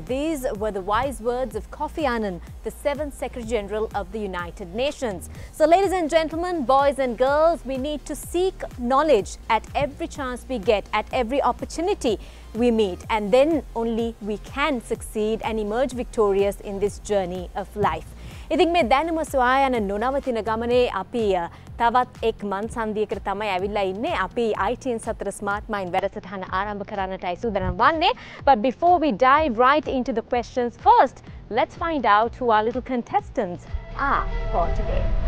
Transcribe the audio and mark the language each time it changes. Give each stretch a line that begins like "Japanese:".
English: These were the wise words of Kofi Annan, the 7th Secretary General of the United Nations. So ladies and gentlemen, boys and girls, we need to seek knowledge at every chance we get, at every opportunity we meet, and then only we can succeed and emerge victorious in this journey of life.
Sinhala: ඉතින් මේ දැනුම සොයාගෙන නොනවතින ගමනේ අපි තවත් එක් මන්සන්ධියකට තමයි ඇවිල්ලා ඉන්නේ. අපි ITN සතර ස්මාර්ට් මයින්ඩ් වැඩසටහන ආරම්භ කරන්නටයි සූදානම් වන්නේ.
English: But before we dive right into the questions, first let's find out who our little contestants are for today.